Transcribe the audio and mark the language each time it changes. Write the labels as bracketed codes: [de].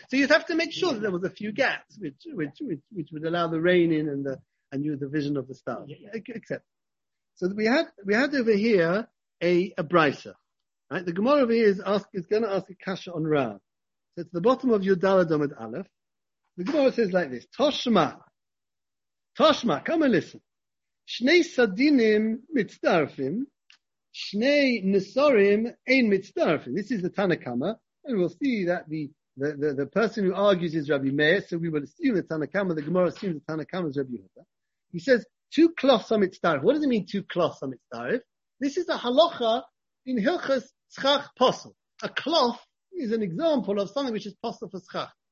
[en] So you'd have to make sure that there was a few gaps, which would allow the rain in and the vision of the stars. Except, so we had over here a brisa, right? The Gemara over here is going to ask a kasha on Rav. So it's the bottom of your Dalad Amud Aleph. The Gemara says like this: Toshma, come and listen. [he] Shnei sadinim mitzdarfim, shnei nesorim ein mitzdarfim. [en] This is the Tanakama. And we'll see that the person who argues is Rabbi Meir, so we will assume the Tanakhama, the Gemara assumes the Tanakhama is Rabbi Yehuda. He says, two cloths on its tarif. What does it mean, two cloths on its tarif? This is a halacha in Hilchas Tzchach Posel. A cloth is an example of something which is posel for Tzchach.